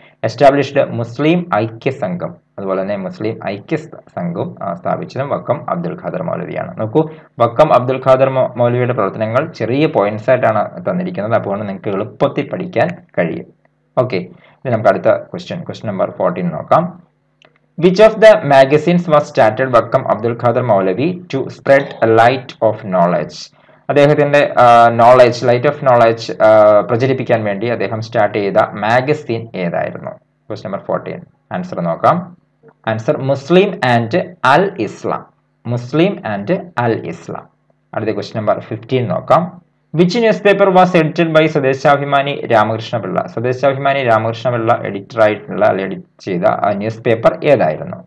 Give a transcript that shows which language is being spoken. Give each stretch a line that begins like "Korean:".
Malayalam: Established മുസ്ലിം ഐക്യ സംഘം, അതുപോലെ തന്നെ മുസ്ലിം ഐക്യ സംഘം സ്ഥാപിച്ചതും വക്കം അബ്ദുൽ ഖാദർ മൗലവിയാണ്. നോക്കൂ, വക്കം അബ്ദുൽ ഖാദർ മൗലവിയുടെ പ്രവർത്തനങ്ങൾ ചെറിയ പോയിന്റ്സ് ആയിട്ടാണ് തന്നിരിക്കുന്നത്, അപ്പോൾ നിങ്ങൾക്ക് എളുപ്പത്തിൽ പഠിക്കാൻ കഴിയും. ഓക്കെ, ഇനി നമുക്ക് അടുത്ത ക്വസ്റ്റ്യൻ, ക്വസ്റ്റ്യൻ നമ്പർ 14 നോക്കാം.
English: Which of the magazines was started Vakkam Abdul Khadir Maulavi to spread a light of knowledge?
Malayalam: അദ്ദേഹത്തിൻ്റെ knowledge,
English: light of knowledge
Malayalam: പ്രചരിപ്പിക്കാൻ വേണ്ടി അദ്ദേഹം സ്റ്റാർട്ട് ചെയ്ത മാഗസിൻ ഏതായിരുന്നു? ക്വസ്റ്റ് നമ്പർ 14, ആൻസർ നോക്കാം. Answer Muslim and Al Islam, Muslim and അൽ ഇസ്ലാം. അടുത്ത question number 15 നോക്കാം.
English: which news paper was edited by
Malayalam: Swadeshabhimani Ramakrishna Pillai, Swadeshabhimani Ramakrishna Pillai editor ആയിട്ടുള്ള അല്ലെങ്കിൽ എഡിറ്റ് ചെയ്ത ന്യൂസ് പേപ്പർ ഏതായിരുന്നു?